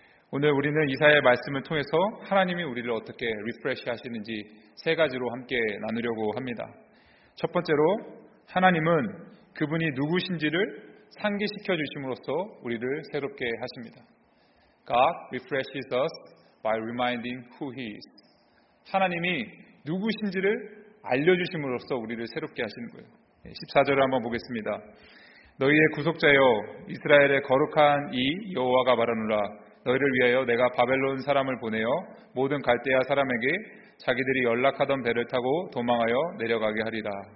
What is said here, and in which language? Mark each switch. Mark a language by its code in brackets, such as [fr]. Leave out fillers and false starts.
[ko] 오늘 우리는 이사야의 말씀을 통해서 하나님이 우리를 어떻게 리프레시 하시는지 세 가지로 함께 나누려고 합니다. 첫 번째로 하나님은 그분이 누구신지를 상기시켜 주심으로써 우리를 새롭게 하십니다. [en] God refreshes us by reminding who he is. [ko] 하나님이 누구신지를 알려주심으로써 우리를 새롭게 하시는 거예요. 14절을 한번 보겠습니다. 너희의 구속자여 이스라엘의 거룩한 이 여호와가 말하노라. 너희를 위하여 내가 바벨론 사람을 보내어 모든 갈대아 사람에게 자기들이 연락하던 배를 타고 도망하여 내려가게 하리라.